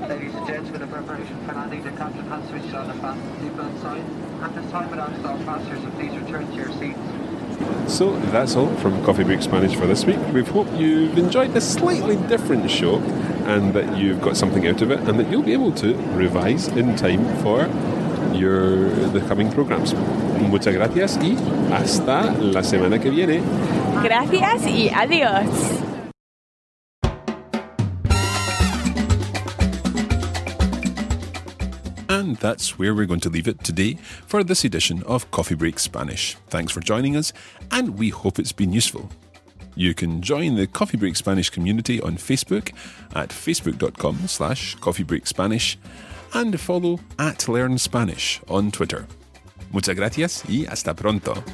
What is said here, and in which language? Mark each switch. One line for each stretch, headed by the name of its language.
English: Ladies and gentlemen, the preparation for landing, the captain has switched on the fast people inside. At this time, when I'm passengers, please return to your seats. So that's all from Coffee Break Spanish for this week. We hope you've enjoyed this slightly different show and that you've got something out of it and that you'll be able to revise in time for the coming programs.
Spanish: Muchas gracias y hasta la semana que viene. Gracias y adiós.
English: And that's where we're going to leave it today for this edition of Coffee Break Spanish. Thanks for joining us, and we hope it's been useful. You can join the Coffee Break Spanish community on Facebook at facebook.com/coffeebreakspanish and follow at Learn Spanish on Twitter.
Spanish: Muchas gracias y hasta pronto.